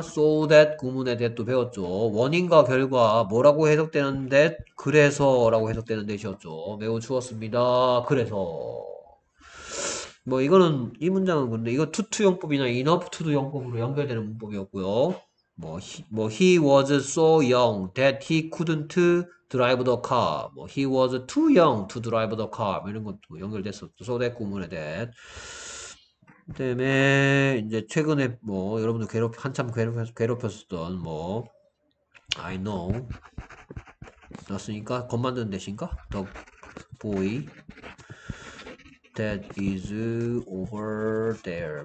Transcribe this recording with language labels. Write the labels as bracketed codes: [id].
[ko] so that 구문에 대해 또 배웠죠. 원인과 결과, 뭐라고 해석되는 that? 그래서 라고 해석되는 that이었죠. 매우 추웠습니다. 그래서. 뭐 이거는 이 문장은 근데 이거 투투 용법이나 이너프 투두 용법으로 연결되는 문법이었고요. [en] 뭐 he was so young that he couldn't drive the car. 뭐 he was too young to drive the car. [ko] 이런 것도 연결됐었죠. so that 구문에 대해. 그다음에 이제 최근에 뭐 여러분들 한참 괴롭혔었던 뭐 I know 넣었으니까 겉 만드는 대신가? [en] the boy That is over there.